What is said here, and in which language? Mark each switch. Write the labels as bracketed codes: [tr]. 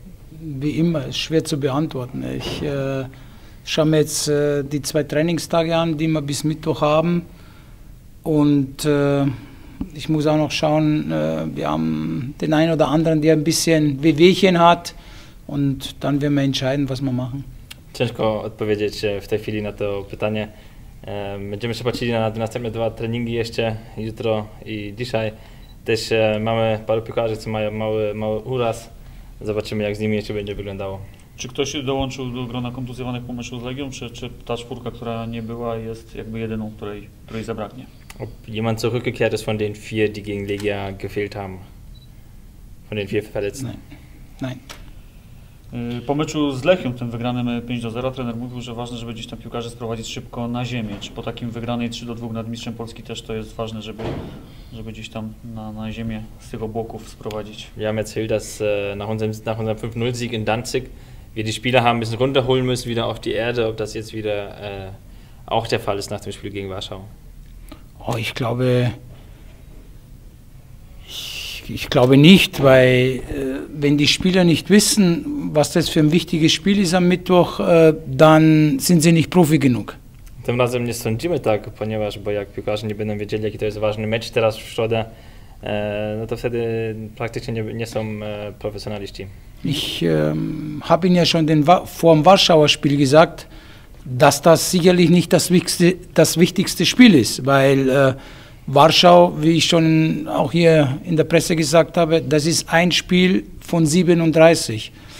[de] Wie immer, ist schwer zu beantworten. Ich schaue mir jetzt die zwei Trainingstage an, die wir bis Mittwoch haben. Und ich muss auch noch schauen, wir haben den einen oder anderen, der ein bisschen Wehwehchen hat. Und dann werden wir entscheiden, was wir machen. [pl] Ciężko odpowiedzieć w tej chwili na to pytanie. Będziemy się patrzyli na następne dwa treningi jeszcze jutro i dzisiaj. Też mamy paru piłkarzy, co mają mały uraz. Zobaczymy, jak z nimi jeszcze będzie wyglądało. Czy ktoś dołączył do grona kontuzjowanych po meczu z Legią, czy ta czwórka, która nie była, jest jakby jedyną, której zabraknie? [de] Ob jemand zurückgekehrt ist von den vier, die gegen Legia gefehlt haben? Von den vier Verletzten? Nein. [pl] Po meczu z Lechią, tym wygranym 5-0, trener mówił, że ważne, żeby gdzieś tam piłkarze sprowadzić szybko na ziemię. Czy po takim wygranej 3-2 nad mistrzem Polski też to jest ważne, żeby gdzieś tam na ziemię z tych obłoków sprowadzić? [de] Wir haben erzählt, dass nach unserem 5-0 Sieg in Danzig wir die Spieler haben ein bisschen runterholen müssen, wieder auf die Erde, ob das jetzt wieder auch der Fall ist nach dem Spiel gegen Warschau. Oh, ich glaube nicht, weil wenn die Spieler nicht wissen, was das für ein wichtiges Spiel ist am Mittwoch, dann sind sie nicht Profi genug. [pl] Tym razem nie sądzimy tak, ponieważ bo jak piłkarze nie będą wiedzieli, jaki to jest ważny mecz teraz w środę, no to wtedy praktycznie nie są profesjonaliści. [de] Ich habe Ihnen ja schon vor dem Warschauer Spiel gesagt, dass das sicherlich nicht das wichtigste Spiel ist, weil Warschau, wie ich schon auch hier in der Presse gesagt habe, das ist ein Spiel von 37.